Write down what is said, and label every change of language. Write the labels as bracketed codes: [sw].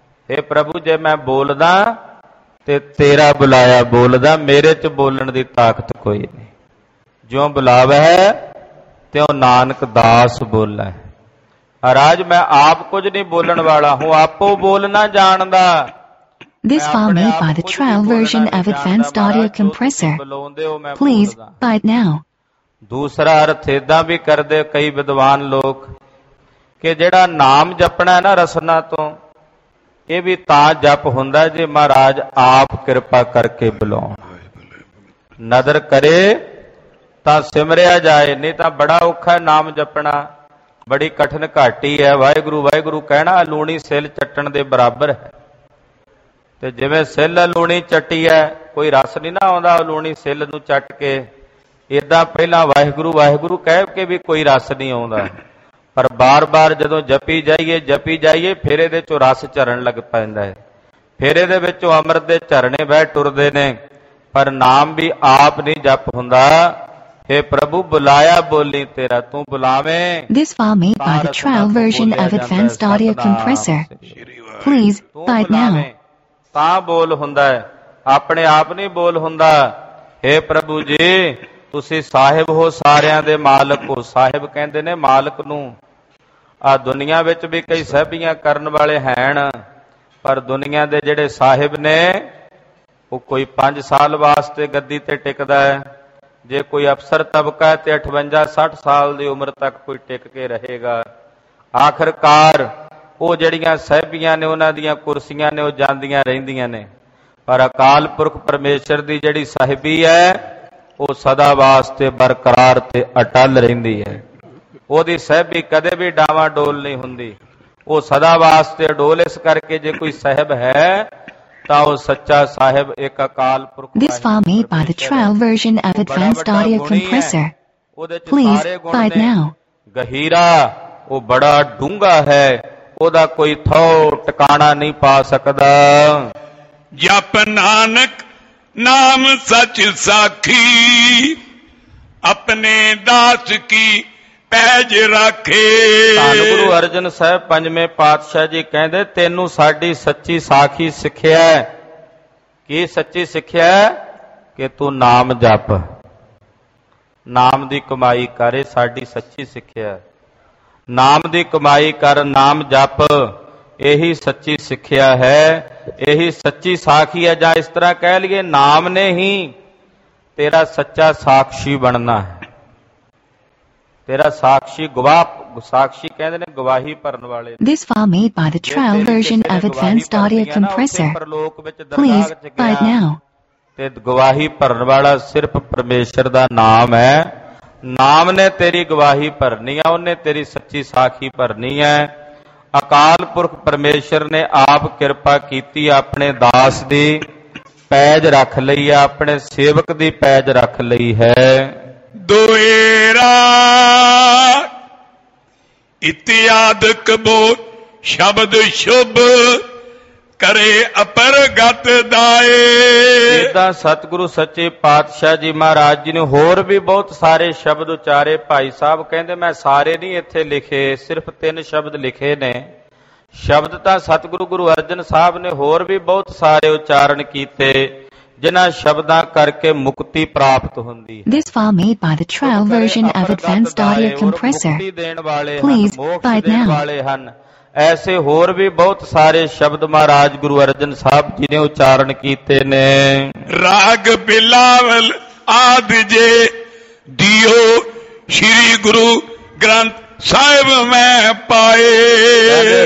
[pa] ਇਹ ਪ੍ਰਭੂ ਜੇ ਮੈਂ ਬੋਲਦਾ ਤੇ ਤੇਰਾ ਬੁਲਾਇਆ ਬੋਲਦਾ, ਮੇਰੇ ਚ ਬੋਲਣ ਦੀ ਤਾਕਤ ਕੋਈ ਨਹੀਂ। ਜਿਉਂ ਬੁਲਾਵ ਹੈ ਤਿਉਂ ਨਾਨਕ ਦਾਸ ਬੋਲੈ। ਰਾਜ ਮੈਂ ਆਪ ਕੁਝ ਨਹੀਂ ਬੋਲਣ ਵਾਲਾ ਹੂੰ, ਆਪੋ ਬੋਲਣਾ ਜਾਣਦਾ। [en] This file made by the trial version of Advanced Audio Compressor. Please buy it now. [pa] ਦੂਸਰਾ ਅਰਥ ਇੱਦਾਂ ਵੀ ਕਰਦੇ ਕਈ ਵਿਦਵਾਨ ਲੋਕ ਕਿ ਜਿਹੜਾ ਨਾਮ ਜਪਣਾ ਨਾ ਰਸਨਾ ਤੋਂ, ਇਹ ਵੀ ਤਾਂ ਜਪ ਹੁੰਦਾ ਜੇ ਮਹਾਰਾਜ ਆਪ ਕਿਰਪਾ ਕਰਕੇ ਬੁਲਾਉਣ। ਨਦਰ ਕਰੇ ਤਾਂ ਸਿਮਰਿਆ ਜਾਏ, ਨਹੀਂ ਤਾਂ ਬੜਾ ਔਖਾ ਨਾਮ ਜਪਣਾ, ਬੜੀ ਕਠਿਨ ਘਾਟੀ ਹੈ। ਵਾਹਿਗੁਰੂ ਵਾਹਿਗੁਰੂ ਕਹਿਣਾ ਲੂਣੀ ਸਿਲ ਚੱਟਣ ਦੇ ਬਰਾਬਰ ਹੈ। ਤੇ ਜਿਵੇਂ ਸਿੱਲ ਲੂਣੀ ਚੱਟੀ ਹੈ, ਕੋਈ ਰਸ ਨਹੀਂ ਨਾ ਆਉਂਦਾ ਲੂਣੀ ਸਿੱਲ ਨੂੰ ਚੱਟ ਕੇ, ਏਦਾਂ ਪਹਿਲਾਂ ਵਾਹਿਗੁਰੂ ਵਾਹਿਗੁਰੂ ਕਹਿ ਕੇ ਵੀ ਕੋਈ ਰਸ ਨਹੀਂ ਆਉਂਦਾ, ਪਰ ਬਾਰ ਬਾਰ ਜਦੋਂ ਜਪੀ ਜਾਈਏ ਫਿਰ ਇਹਦੇ ਚੋਂ ਰਸ ਚਰਨ ਲੱਗ ਪੈਂਦਾ ਹੈ, ਫਿਰ ਇਹਦੇ ਵਿੱਚੋਂ ਅੰਮ੍ਰਿਤ ਦੇ ਝਰਨੇ ਬਹਿ ਟੁਰਦੇ ਨੇ, ਪਰ ਨਾਮ ਵੀ ਆਪ ਨਹੀਂ ਜਪ ਹੁੰਦਾ। ਹੇ ਪ੍ਰਭੂ ਬੁਲਾਇਆ ਬੋਲੀ ਤੇਰਾ, ਤੂੰ ਬੁਲਾਵੇਂ। [en] This file made by the trial version of Advanced Audio Compressor. Please buy it now. [pa] ਤਾਂ ਬੋਲ ਹੁੰਦਾ ਹੈ, ਆਪਣੇ ਆਪ ਨਹੀਂ ਬੋਲ ਹੁੰਦਾ। ਹੇ ਪ੍ਰਭੂ ਜੀ ਤੁਸੀਂ ਸਾਹਿਬ ਹੋ, ਸਾਰਿਆਂ ਦੇ ਮਾਲਕ ਹੋ। ਸਾਹਿਬ ਕਹਿੰਦੇ ਨੇ ਮਾਲਕ ਨੂੰ। ਆ ਦੁਨੀਆਂ ਵਿੱਚ ਵੀ ਕਈ ਸਾਹਿਬੀਆਂ ਕਰਨ ਵਾਲੇ ਹੈਣ, ਪਰ ਦੁਨੀਆਂ ਦੇ ਜਿਹੜੇ ਸਾਹਿਬ ਨੇ ਉਹ ਕੋਈ 5 ਸਾਲ ਵਾਸਤੇ ਗੱਦੀ ਤੇ ਟਿਕਦਾ ਹੈ, ਜੇ ਕੋਈ ਅਫਸਰ ਤਬਕਾ ਹੈ ਤੇ 58-60 ਸਾਲ ਦੀ ਉਮਰ ਤੱਕ ਕੋਈ ਟਿਕ ਕੇ ਰਹੇਗਾ। ਆਖਿਰਕਾਰ ਉਹ ਜਿਹੜੀਆਂ ਸਾਹਿਬੀਆਂ ਨੇ ਉਹਨਾਂ ਦੀਆਂ ਕੁਰਸੀਆਂ ਨੇ ਉਹ ਜਾਂਦੀਆਂ ਰਹਿੰਦੀਆਂ ਨੇ, ਪਰ ਅਕਾਲ ਪੁਰਖ ਪਰਮੇਸ਼ਰ ਦੀ ਜਿਹੜੀ ਸਾਹਿਬੀ ਹੈ ਉਹ ਸਦਾ ਵਾਸਤੇ ਬਰਕਰਾਰ ਤੇ ਅਟਲ ਰਹਿੰਦੀ ਹੈ। ਉਹਦੀ ਸਾਹਿਬੀ ਕਦੇ ਵੀ ਡਾਵਾਂ ਡੋਲ ਨਹੀਂ ਹੁੰਦੀ, ਉਹ ਸਦਾ ਵਾਸਤੇ ਡੋਲ। ਇਸ ਕਰਕੇ ਜੇ ਕੋਈ ਸਾਹਿਬ ਹੈ ਤਾਂ ਉਹ ਸੱਚਾ ਸਾਹਿਬ ਇੱਕ Akal Purakh. [en] This file made by the trial version of Advanced Audio Compressor. Please buy it now. [pa] ਗਹਿਰਾ ਉਹ ਬੜਾ ਡੂੰਘਾ ਹੈ, ਉਹਦਾ ਕੋਈ ਥੋ ਟਿਕਾਣਾ ਨਹੀਂ ਪਾ ਸਕਦਾ। ਜਪ ਨਾਨਕ ਨਾਮ ਸੱਚ ਸਾਖੀ, ਆਪਣੇ ਦਾਸ ਕੀ ਪੈਜ ਰੱਖੇ। ਗੁਰੂ ਅਰਜਨ ਸਾਹਿਬ 5ਵੇਂ ਪਾਤਸ਼ਾਹ ਜੀ ਕਹਿੰਦੇ ਤੈਨੂੰ ਸਾਡੀ ਸੱਚੀ ਸਾਖੀ ਸਿੱਖਿਆ। ਕੀ ਸੱਚੀ ਸਿੱਖਿਆ? ਕਿ ਤੂੰ ਨਾਮ ਜਪ, ਨਾਮ ਦੀ ਕਮਾਈ ਕਰ, ਇਹ ਸਾਡੀ ਸੱਚੀ ਸਿੱਖਿਆ। ਨਾਮ ਦੀ ਕਮਾਈ ਕਰ, ਨਾਮ ਜਪ, ਇਹੀ ਸੱਚੀ ਸਿੱਖਿਆ ਹੈ, ਇਹੀ ਸੱਚੀ ਸਾਖੀ ਹੈ। ਜਾਂ ਇਸ ਤਰ੍ਹਾਂ ਕਹਿ ਲਈਏ, ਨਾਮ ਨੇ ਹੀ ਤੇਰਾ ਸੱਚਾ ਸਾਖਸ਼ੀ ਬਣਨਾ ਹੈ, ਤੇਰਾ ਸਾਖਸ਼ੀ ਗਵਾਹ। ਸਾਖਸ਼ੀ ਕਹਿੰਦੇ ਨੇ ਗਵਾਹੀ ਭਰਨ ਵਾਲੇ। [en] This file made by the trial version of Advanced Audio Compressor. [pa] ਪਰਲੋਕ ਵਿੱਚ ਦਰਗਾਹ ਵਿੱਚ ਗਿਆ ਤੇ ਗਵਾਹੀ ਭਰਨ ਵਾਲਾ ਸਿਰਫ ਪਰਮੇਸ਼ਰ ਦਾ ਨਾਮ ਹੈ। ਨਾਮ ਨੇ ਤੇਰੀ ਗਵਾਹੀ ਭਰਨੀ ਹੈ, ਉਹਨੇ ਤੇਰੀ ਸੱਚੀ ਸਾਖੀ ਭਰਨੀ ਹੈ। ਅਕਾਲ ਪੁਰਖ ਪਰਮੇਸ਼ਰ ਨੇ ਆਪ ਕਿਰਪਾ ਕੀਤੀ, ਆਪਣੇ ਦਾਸ ਦੀ ਪੈਜ ਰੱਖ ਲਈ ਹੈ, ਆਪਣੇ ਸੇਵਕ ਦੀ ਪੈਜ ਰੱਖ ਲਈ ਹੈ। ਦੁਏਰਾ ਇਤਿਆਦਕ ਬੋ ਸ਼ਬਦ ਸ਼ੁਭ ਕਰੇ ਅਪਰਗਤ ਦਾਏ। ਜਿੱਦਾਂ ਸਤਿਗੁਰੂ ਸੱਚੇ ਪਾਤਸ਼ਾਹ ਜੀ ਮਹਾਰਾਜ ਜੀ ਨੇ ਹੋਰ ਵੀ ਬਹੁਤ ਸਾਰੇ ਸ਼ਬਦ ਉਚਾਰੇ, ਭਾਈ ਸਾਹਿਬ ਕਹਿੰਦੇ ਮੈਂ ਸਾਰੇ ਨਹੀਂ ਇੱਥੇ ਲਿਖੇ, ਸਿਰਫ 3 ਸ਼ਬਦ ਲਿਖੇ ਨੇ। ਸ਼ਬਦ ਤਾਂ ਸਤਿਗੁਰੂ ਗੁਰੂ ਅਰਜਨ ਸਾਹਿਬ ਨੇ ਹੋਰ ਵੀ ਬਹੁਤ ਸਾਰੇ ਉਚਾਰਨ ਕੀਤੇ, ਜਿਨ੍ਹਾਂ ਸ਼ਬਦਾਂ ਕਰਕੇ ਮੁਕਤੀ ਪ੍ਰਾਪਤ ਹੁੰਦੀ। [en] This file made by the trial version of Advanced Audio Compressor. [pa] ਮੁਕਤੀ ਦੇਣ ਵਾਲੇ ਹਨ, ਮੋਕਸ਼ ਦੇਣ ਵਾਲੇ ਹਨ। ਐਸੇ ਹੋਰ ਵੀ ਬਹੁਤ ਸਾਰੇ ਸ਼ਬਦ ਮਹਾਰਾਜ ਗੁਰੂ ਅਰਜਨ ਸਾਹਿਬ ਜੀ ਨੇ ਉਚਾਰਨ ਕੀਤੇ ਨੇ। ਰਾਗ ਬਿਲਾਵਲ ਆਦਿ ਜੇ ਦਿਓ ਸ਼੍ਰੀ ਗੁਰੂ ਗ੍ਰੰਥ ਸਾਹਿਬ ਮੈਂ ਪਾਏ।